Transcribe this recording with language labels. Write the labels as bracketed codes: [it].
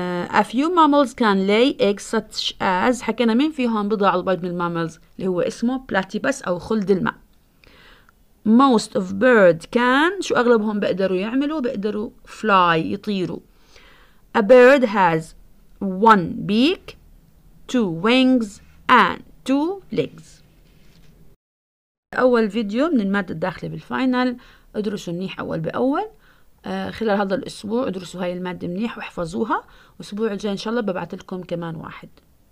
[en] A few mammals can lay eggs such as [ar] حكينا مين فيهم بضع البيض من mammals اللي هو اسمه platypus أو خلد الماء. [en] Most of birds can [ar] شو أغلبهم بقدروا يعملوا بقدروا fly يطيروا. [en] A bird has one beak, two wings and two legs. [ar] أول فيديو من المادة الداخلة بالفاينل ادرسوا منيح أول بأول. خلال هذا الأسبوع ادرسوا هاي المادة منيح واحفظوها. الأسبوع الجاي إن شاء الله ببعث لكم كمان واحد.